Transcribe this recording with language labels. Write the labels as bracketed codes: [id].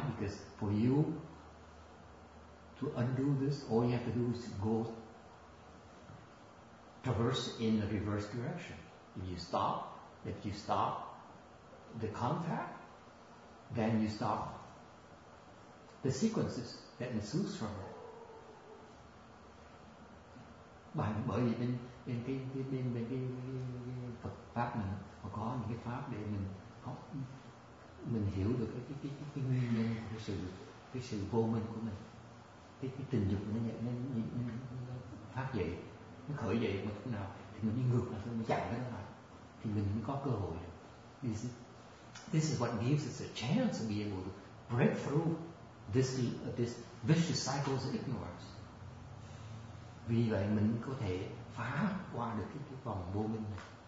[en] Because for you to undo this, all you have to do is go traverse in the reverse direction. If you stop the contact, then you stop the sequences that ensues from it. [vi] Bởi vì bên Phật pháp mình họ có những cái pháp để mình học, mình hiểu được cái nguyên nhân của cái sự vô minh của mình, cái tình dục nó phát dậy, nó khởi dậy một lúc nào thì mình đi ngược lại, mình chặn nó lại thì mình mới có cơ hội. [en] This is what gives us a chance to be able to break through this vicious cycles of ignorance. [vi] Vì vậy mình có thể phá qua được cái vòng vô minh này.